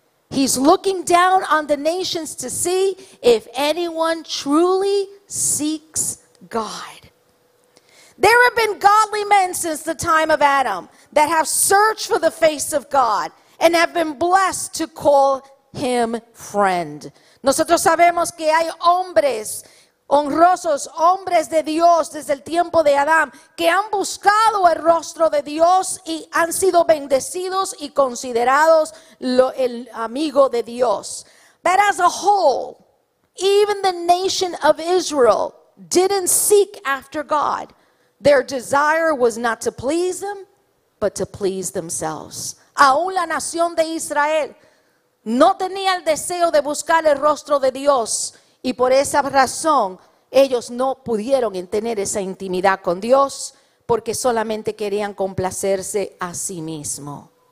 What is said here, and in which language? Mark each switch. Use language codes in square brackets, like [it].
[en] He's looking down on the nations to see if anyone truly seeks God. There have been godly men since the time of Adam that have searched for the face of God and have been blessed to call him friend. [es] Nosotros sabemos que hay hombres honrosos, hombres de Dios desde el tiempo de Adán, que han buscado el rostro de Dios y han sido bendecidos y considerados el amigo de Dios. [en] But as a whole, even the nation of Israel didn't seek after God. Their desire was not to please them, but to please themselves. [es] Aún la nación de Israel no tenía el deseo de buscar el rostro de Dios, y por esa razón ellos no pudieron tener esa intimidad con Dios, porque solamente querían complacerse a sí mismo.